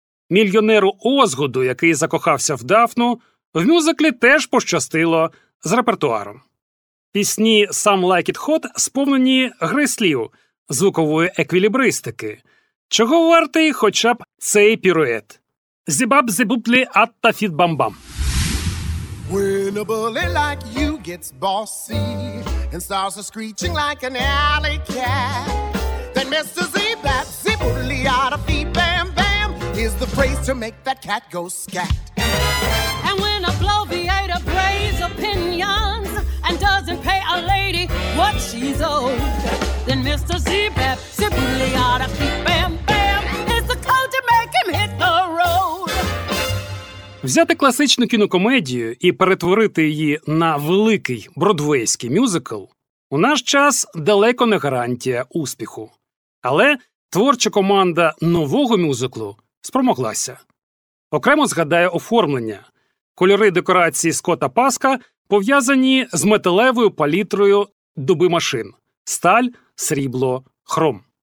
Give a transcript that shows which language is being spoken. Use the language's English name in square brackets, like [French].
[Ukrainian] Мільйонеру Озгоду, який закохався в Дафну, в мюзиклі теж пощастило з репертуаром. Пісні «Some Like It Hot» сповнені гри слів, звукової еквілібристики. Чого вартий хоча б цей пірует? Зібаб зібуплі атта фіт бамбам. [English] When a bully like you gets bossy and starts a screeching like an alley cat, Mr. Zee, that zibbly-otta fee, bam, bam, is the phrase to make that cat go scat. And when a bloviator plays opinions and doesn't pay a lady what she's owed, then Mr. Zee, that zibbly-otta fee, bam, bam, is the code to make him hit the road. [Ukrainian] Взяти класичну кінокомедію і перетворити її на великий бродвейський мюзикл у наш час далеко не гарантія успіху. Але творча команда нового мюзиклу спромоглася. Окремо згадаю оформлення. Кольори декорації Скотта Паска пов'язані з металевою палітрою доби машин – сталь, срібло, хром.